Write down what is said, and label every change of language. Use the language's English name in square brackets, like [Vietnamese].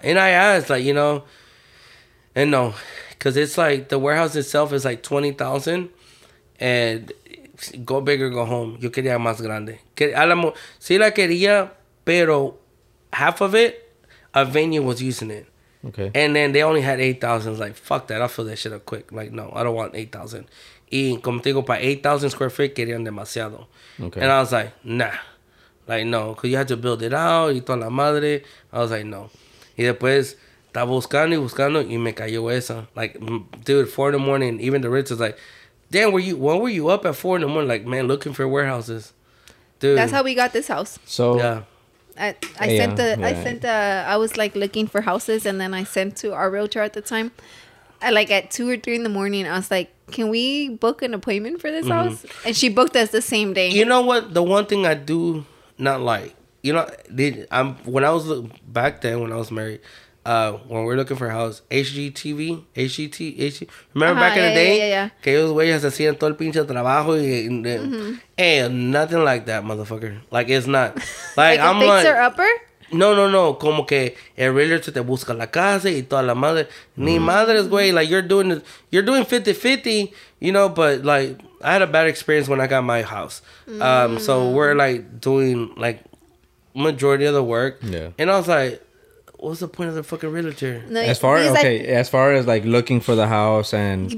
[English] And I asked, like, you know, and no. Because it's, like, the warehouse itself is, like, 20,000. And go big or go home. [Spanish] Yo quería más grande. Sí la quería, pero [English] half of it, a venue was using it. Okay. And then they only had 8,000. I was like, fuck that. I'll fill that shit up quick. Like, no, I don't want 8,000. Y como te digo, para 8,000 square feet, querían demasiado. Okay. And I was like, nah. Like, no. Because you had to build it out. [Spanish] Y toda la madre. [English] I was like, no. [Spanish] Y después, estaba buscando y buscando. Y me cayó esa. [English] Like, dude, 4 in the morning. Even the rich was like, damn, when were you up at 4 in the morning? Like, man, looking for warehouses. Dude. That's how we got this house. So. Yeah. I was like looking for houses, and then I sent to our realtor at the time. I like at 2 or 3 in the morning. I was like, "Can we book an appointment for this mm-hmm. house?" And she booked us the same day. You know what? The one thing I do not like, you know, when I was married, when we're looking for a house, HGTV, HGTV. Remember uh-huh, back yeah, in the day? Yeah, yeah. [Spanish] Que esos güeyes hacían todo el pinche trabajo y [English] nothing like that, motherfucker. Like, it's not. Like, like, I'm a fixer like, upper? No. [Spanish] Como que el realtor te busca la casa y toda la madre. Ni madres, güey. [English] Like, you're doing 50-50, you know, but like, I had a bad experience when I got my house. So we're like doing like majority of the work. Yeah. And I was like, what's the point of the fucking realtor? No, as far as like looking for the house and